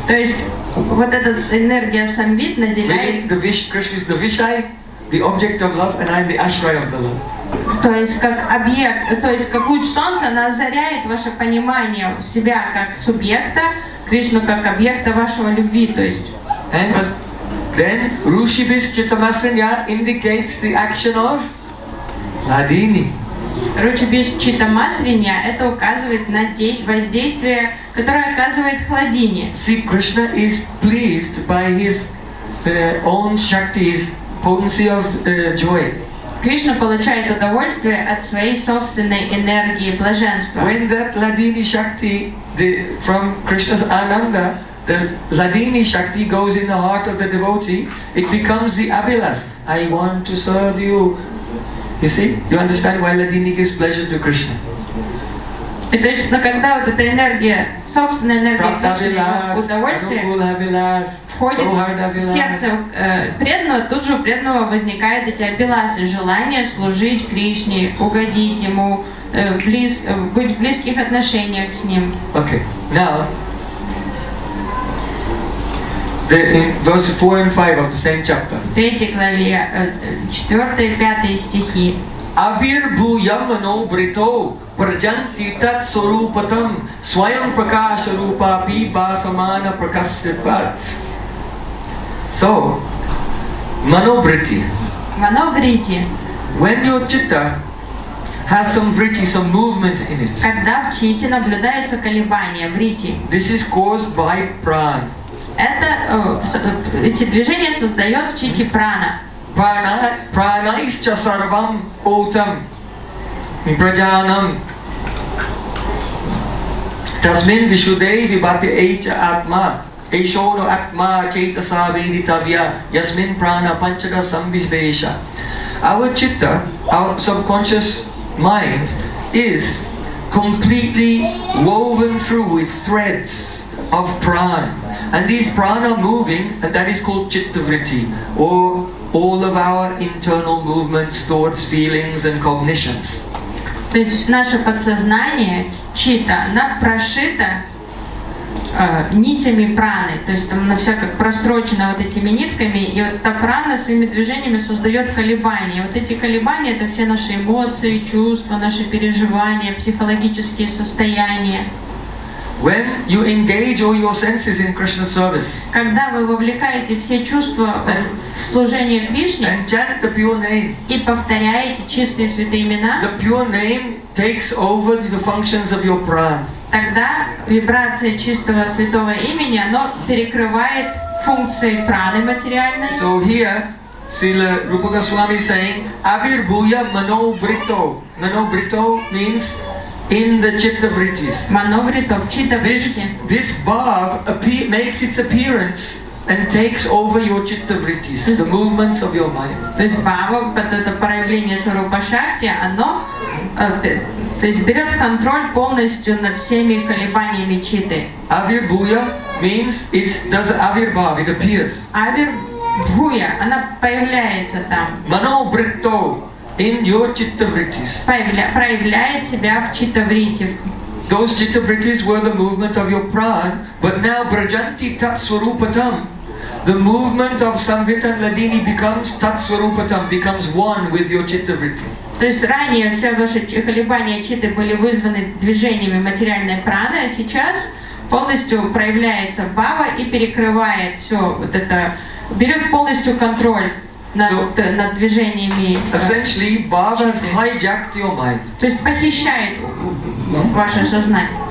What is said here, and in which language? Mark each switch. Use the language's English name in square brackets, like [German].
[Russian] То есть вот эта энергия самвит наделяет. [English] The Vish, Krishna is the Vishai, the object of love, and I'm the Ashray of the love. [Russian] То есть как объект, то есть как луч солнца, она озаряет ваше понимание себя как субъекта, Кришну как объекта вашего любви. То есть. [English] And then [Sanskrit] Rushibhis Chittamasanya [English] indicates the action of Ladini. [Sanskrit] Rushibhis Chittamasanya [Russian] это указывает на воздействие, которое оказывает Хладини. [English] See, Krishna is pleased by his own shakti, his potency of joy. [Russian] Кришна получает удовольствие от своей собственной энергии блаженства. [English] When that Ladini shakti, the from Krishna's ananda, the Ladini shakti goes in the heart of the devotee, it becomes the abhilas. I want to serve you. You see, you understand why Ladini gives pleasure to Krishna. [Russian] И то есть, но когда вот эта энергия, собственная энергия Кришны, удовольствие входит в сердце преданного, тут же у преданного возникают эти абиласы, желание служить Кришне, угодить ему, быть в близких отношениях с ним. [English] Okay. Now, In verse 4 and 5 of the same chapter. [Russian] В третьей главе, 4 и 5 стихи. [Sanskrit] Avir Bhuyamano Brito Prajanti Tat Sorupatam Swayam Prakasha Rupa Pipa Samana Prakasipat. [English] So, Manobriti. [Sanskrit] Manobriti. [English] When your chitta has some vritti, some movement in it. [Russian] Когда в чите наблюдается колебание, вритти. [English] This is caused by prana. [Russian] Это эти движения создает в чите прана. [Sanskrit] Pranaischa sarvam otam prajanam tasmin vishudei vibhati echa atma eshono atma chetasa veditavya yasmin prana panchaka samvishvesha. [English] Our chitta, our subconscious mind is completely woven through with threads of prana, and these prana are moving, and that is called chitta vritti, or all of our internal movements, thoughts, feelings, and cognitions. [Russian] То есть наше подсознание, чита, она прошита нитями праны, то есть там она вся как прострочена вот этими нитками, и вот та прана своими движениями создает колебания. И вот эти колебания — это все наши эмоции, чувства, наши переживания, психологические состояния. [English] When you engage all your senses in Krishna service, [Russian] когда вы вовлекаете все чувства в служение Кришне, [English] and chant the pure name, [Russian] и повторяете чистые святые имена, [English] the pure name takes over the functions of your prana. [Russian] Тогда вибрация чистого святого имени, оно перекрывает функции праны материальной. [English] So here, Srila Rupa Goswami is saying, [Sanskrit] Avir Bhuya Mano Brito. [English] Mano Brito means in the chitta vrittis. [Sanskrit] Manovrita v chitta vritti. [English] This bhav makes its appearance and takes over your chitta vrittis, the movements of your mind. [Russian] То есть бхава, это проявление сварупа шакти, оно то есть берет контроль полностью над всеми колебаниями читы. [English] Avir bhuya means it does avir bhav, it appears. [Russian] Avir bhuya, она появляется там. [English] Manovritto. In your chitta vrittis. [Russian] Проявляет себя в читта вритти. [English] Those chitta vrittis were the movement of your prana, but now [Sanskrit] brajanti tat swarupatam. [English] The movement of samvita and ladini becomes tat swarupatam, becomes one with your chitta vritti. [Russian] То есть ранее все ваши колебания читы были вызваны движениями материальной праны, а сейчас полностью проявляется бхава и перекрывает все вот это, берет полностью контроль. Над движениями. [English] Essentially, bhava has hijacked your mind. [Russian] То есть похищает ваше сознание.